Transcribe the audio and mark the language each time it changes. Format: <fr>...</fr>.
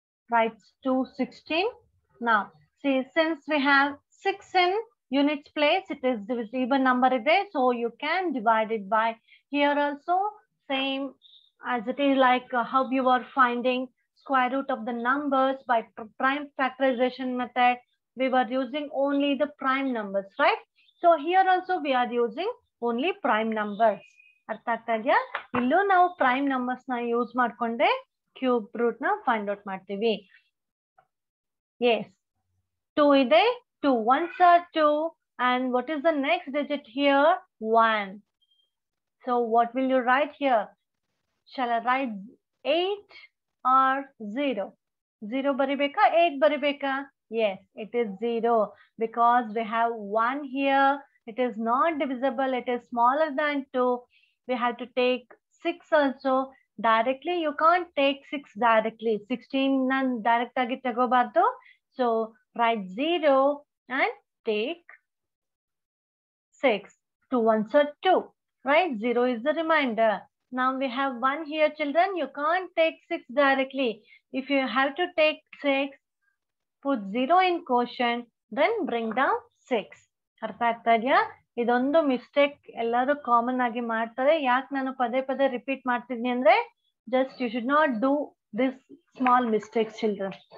<en>Right, 216. Now, see, since we have 6 in units place, it is even number there, so you can divide it by here also. Same as it is like how you are finding square root of the numbers by prime factorization method, we were using only the prime numbers, right? So here also we are using only prime numbers.</en> <kn>ಅರ್ಥ ಆಗ್ತಾ ಇದೆಯಾ? ಇಲ್ಲೂ ನಾವು prime numbers ನ use ಮಾಡ್ಕೊಂಡೆ cube root ನ find out ಮಾಡ್ತೀವಿ.</kn> <en>Yes, two ಇದೆ, two, ones are two, and what is the next digit here? One. So what will you write here? Shall write 8 or 0?</en> <kn>0 ಬರಿಬೇಕಾ, 8 ಬರಿಬೇಕಾ?</kn> <en>Yes, it is 0, because we have 1 here. It is not divisible. It is smaller than 2. We have to take 6 also directly. You can't take 6 directly.</en> <kn>16 nan direct agi tagobardu.</kn> <en>So write 0 and take 6. 2 ones are 2, right? 0 is the remainder. Now we have 1 here, children. You can't take 6 directly. If you have to take 6, put 0 in quotient, then bring down 6.</en> <kn>Arthagtadya? ಇದೊಂದು mistake ಎಲ್ಲರೂ common ಆಗಿ ಮಾಡ್ತಾರೆ. ಯಾಕೆ ನಾನು ಪದೇ ಪದೇ repeat ಮಾಡ್ತಿದ್ನಿ ಅಂದ್ರೆ,</kn> <en>Just you should not do this small mistakes children.</en>